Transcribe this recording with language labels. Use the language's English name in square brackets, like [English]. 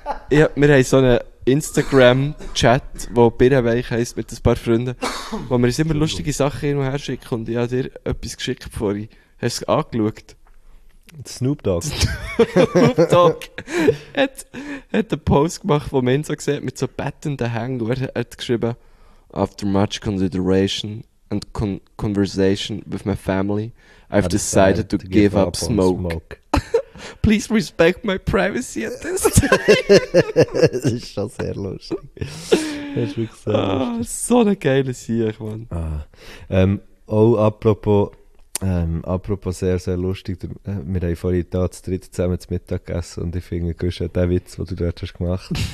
[German] Ja, wir haben so einen Instagram-Chat, wo Birrenweich heisst, mit ein paar Freunden, wo wir uns immer lustige Sachen hin und her schicken. Und ich habe dir etwas geschickt vorhin. Hast du es angeschaut? Snoop Dogg. Snoop Dogg hat einen Post gemacht, wo man so sieht, mit so bettenden Hängen. [English] Er hat geschrieben, after much consideration and conversation with my family, I've decided to give up smoke. Please respect my privacy at this time. [German] Das ist schon sehr lustig. Das ist wirklich sehr lustig. So eine geile Sache, Mann. Apropos sehr, sehr lustig, wir haben vorhin da zu dritt zusammen zum Mittag gegessen und ich finde, du hast den Witz, den du dort hast gemacht.